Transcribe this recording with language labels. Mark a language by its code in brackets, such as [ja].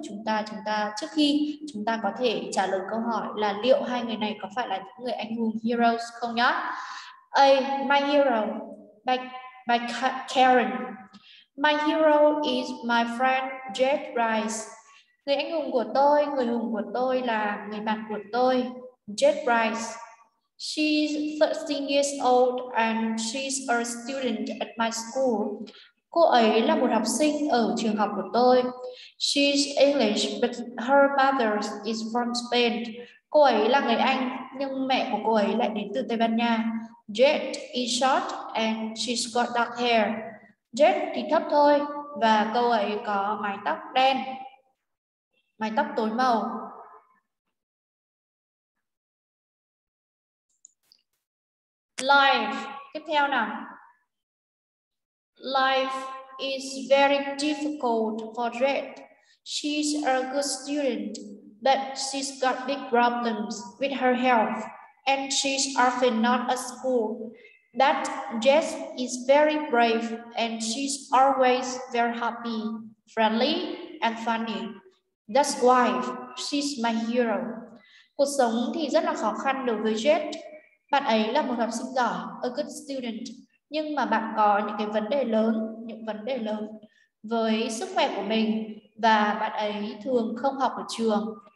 [vi] Chúng ta trước khi chúng ta có thể trả lời câu hỏi là liệu hai người này có phải là những người anh hùng heroes không nhá? [en] A. My hero. By Karen. My hero is my friend Jet Rice. [vi] Người anh hùng của tôi, người hùng của tôi là người bạn của tôi, Jet Rice. [en] She's 13 years old and she's a student at my school. [vi] Cô ấy là một học sinh ở trường học của tôi. [en] She's English, but her mother is from Spain. [vi] Cô ấy là người Anh, nhưng mẹ của cô ấy lại đến từ Tây Ban Nha. [en] Jet is short and she's got dark hair. [vi] Jet thì thấp thôi và cô ấy có mái tóc đen, mái tóc tối màu. [en] Life, [vi] tiếp theo nào. [en] Life is very difficult for Jet. She's a good student, but she's got big problems with her health and she's often not at school. That Jess is very brave and she's always very happy, friendly and funny. That's why she's my hero. [vi] Cuộc sống thì rất là khó khăn đối với Jess. Bạn ấy là một học sinh giỏi, [en] a good student. [vi] Nhưng mà bạn có những cái vấn đề lớn, với sức khỏe của mình và bạn ấy thường không học ở trường.